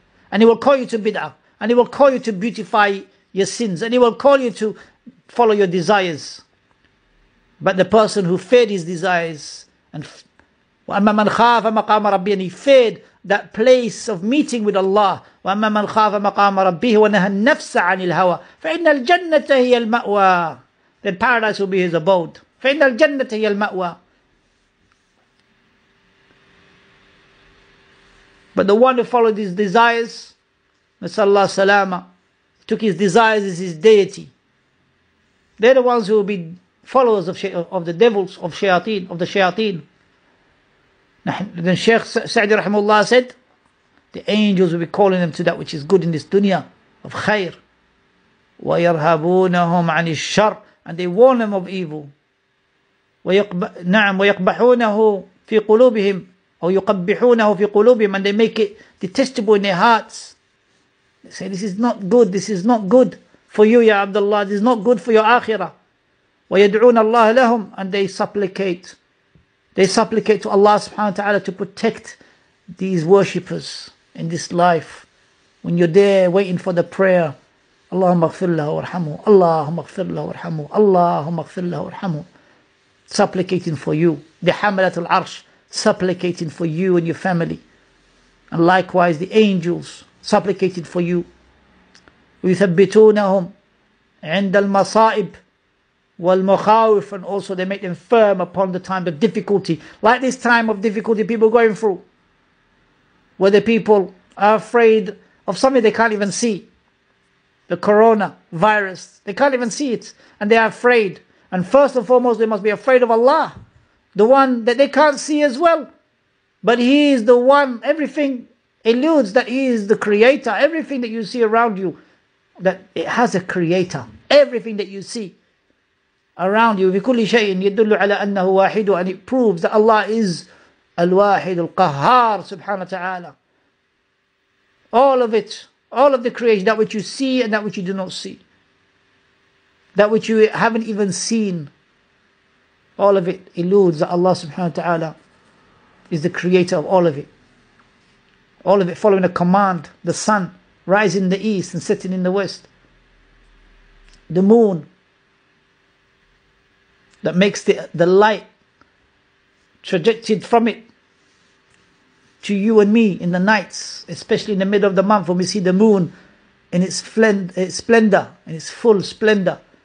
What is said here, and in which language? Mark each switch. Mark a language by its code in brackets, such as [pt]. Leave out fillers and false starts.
[en] And he will call you to Bid'ah. And he will call you to beautify your sins. And he will call you to follow your desires. But the person who feared his desires and [ar] وَأَمَّا مَنْ خَافَ مَقَامَ رَبِّهِ [en] And he feared that place of meeting with Allah. [ar] وَأَمَّا مَنْ خَافَ مَقَامَ رَبِّهِ وَنَهَى النَّفْسَ عَنِ الْهَوَى فَإِنَّ الْجَنَّةَ هِيَ الْمَأْوَى [en] Then paradise will be his abode. [ar] فَإِنَّ الْجَنَّةَ هِيَ الْمَأْوَى [en] But the one who followed his desires, [ar] نسأل الله السلامة, [en] took his desires as his deity. They're the ones who will be followers of the devils, of shayateen, of the shayateen. Then Shaykh Sa'di rahimahullah said, the angels will be calling them to that which is good in this dunya, of khair. [ar] وَيَرْهَبُونَهُمْ عَنِ الشَّرْ [en] And they warn them of evil. [ar] نَعَمْ وَيَقْبَحُونَهُ فِي قُلُوبِهِمْ أَوْ يُقَبِّحُونَهُ فِي قُلُوبِهِمْ [en] And they make it detestable in their hearts. They say, this is not good, this is not good for you, Ya Abdullah, this is not good for your akhirah. [ar] وَيَدْعُونَ اللَّهَ لَهُمْ [en] And they supplicate. They supplicate to Allah subhanahu wa ta'ala to protect these worshippers in this life. When you're there waiting for the prayer, [ar] اللَّهُمَّ اغْفِرْ لَهُ وَارْحَمُهُ اللَّهُمَّ اغْفِرْ لَهُ وَارْحَمُهُ اللَّهُمَّ اغْفِرْ لَهُ وَارْحَمُهُ [en] Supplicating for you. The حَمَلَةُ الْعَرْشِ Supplicating for you and your family. And likewise the angels supplicating for you. [ar] وَيُثَبِّتُونَهُمْ عِنْدَ الْمَصَائِبِ والمخاوف [en] and also they make them firm upon the time of difficulty. Like this time of difficulty people are going through. Where the people are afraid of something they can't even see. The coronavirus. They can't even see it. And they are afraid. And first and foremost they must be afraid of Allah. The one that they can't see as well. But He is the one. Everything eludes that He is the creator. Everything that you see around you. That it has a creator. Everything that you see. around you, [ar] بِكُلِّ شَيْءٍ يَدُلُّ عَلَى أَنَّهُ وَاحِدٌ, [en] and it proves that Allah is [ar] الْوَاحِدُ الْقَهَّارُ سُبْحَانَهُ وَتَعَالَى. [en] All of it, all of the creation, that which you see and that which you do not see, that which you haven't even seen, all of it eludes that Allah subhanahu wa ta'ala is the creator of all of it. All of it following a command, the sun rising in the east and setting in the west, the moon that makes the light trajected from it to you and me in the nights, especially in the middle of the month when we see the moon in its splendor, in its full splendor.